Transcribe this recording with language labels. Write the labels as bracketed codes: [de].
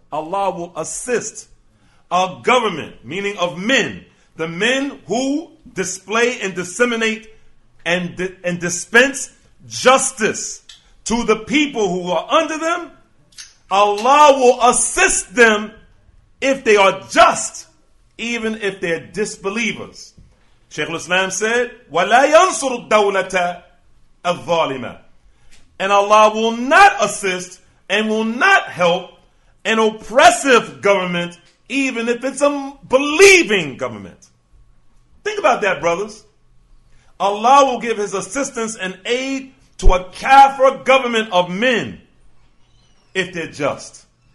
[en] Allah will assist a government, meaning of men, the men who display and disseminate and dispense justice to the people who are under them. Allah will assist them if they are just, even if they're disbelievers. Shaykh al-Islam said, [ar] وَلَا يَنْصُرُ الدَّوْلَةَ الظَّالِمَةَ. [en] And Allah will not assist and will not help an oppressive government, even if it's a believing government. Think about that, brothers. Allah will give his assistance and aid to a kafir government of men if they're just.